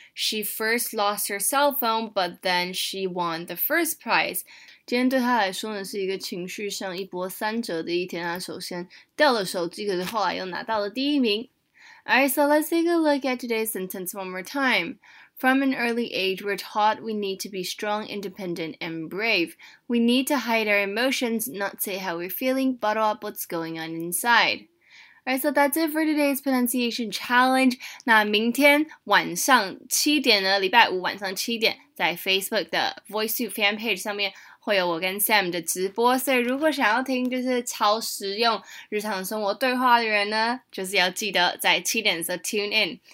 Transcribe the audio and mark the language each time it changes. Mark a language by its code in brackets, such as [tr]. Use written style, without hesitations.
[en] She first lost her cell phone, but then she won the first prize. [zh] 今天对她来说呢是一个情绪上一波三折的一天，她首先掉了手机，可是后来又拿到了第一名。 [en] Alright, so let's take a look at today's sentence one more time. From an early age, we're taught we need to be strong, independent, and brave. We need to hide our emotions, not say how we're feeling, bottle up what's going on inside. Alright, so that's it for today's pronunciation challenge. [zh] 那明天晚上七点呢，礼拜五晚上七点，在 Facebook 的 VoiceTube fan page 上面会有我跟 Sam 的直播，所以如果想要听就是超实用日常生活对话的人呢，就是要记得在七点的时候 tune in.